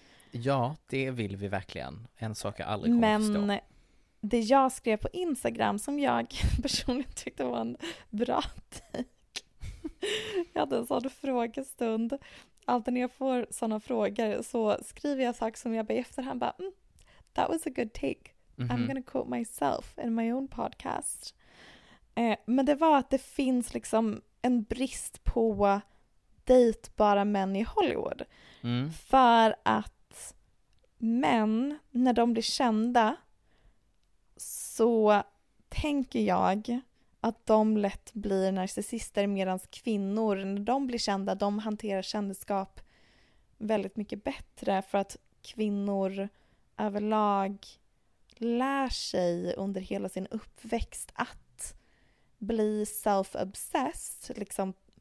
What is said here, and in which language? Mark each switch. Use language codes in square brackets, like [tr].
[sv] Ja, det vill vi verkligen. En sak jag aldrig kommer men att förstå. Men det jag skrev på Instagram som jag personligen tyckte var en bra take. Jag hade en sån frågestund. Alltid när jag får såna frågor så skriver jag saker som jag ber efter. Han bara, [en] that was a good take. Mm-hmm. I'm gonna quote myself in my own podcast. [sv] Men det var att det finns liksom en brist på dejtbara män i Hollywood. Mm. För att män, när de blir kända, så tänker jag att de lätt blir narcissister, medan kvinnor, när de blir kända, de hanterar kändisskap väldigt mycket bättre, för att kvinnor överlag lär sig under hela sin uppväxt att bli self-obsessed, liksom.